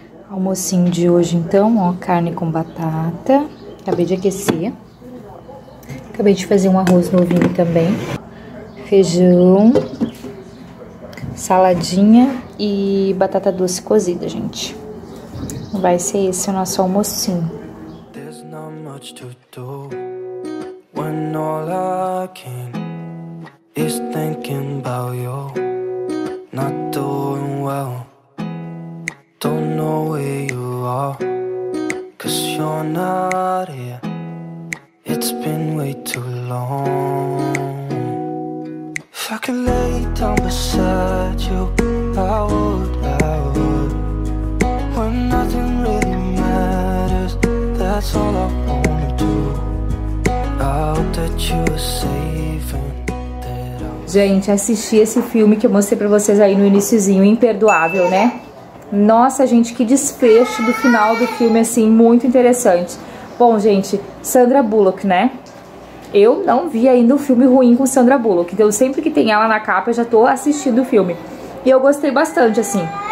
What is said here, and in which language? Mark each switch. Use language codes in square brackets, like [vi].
[pt] Almocinho de hoje, então, ó, carne com batata. Acabei de aquecer. Acabei de fazer um arroz novinho também. Feijão, saladinha e batata doce cozida, gente. Vai ser esse o nosso almocinho. [en] There's not much to do when all I can is thinking about you. Not doing well. Don't know where you are. Cause you're not here. It's been way too long. If I could lay down beside you, I would, I would. When nothing really matters, that's all I wanna do. I hope that you are safe and that I'm... [pt] Gente, assisti esse filme que eu mostrei pra vocês aí no iniciozinho, Imperdoável, né? Nossa, gente, que desfecho do final do filme, assim, muito interessante. Bom, gente, Sandra Bullock, né? Eu não vi ainda um filme ruim com Sandra Bullock. Então, sempre que tem ela na capa, eu já tô assistindo o filme. E eu gostei bastante, assim.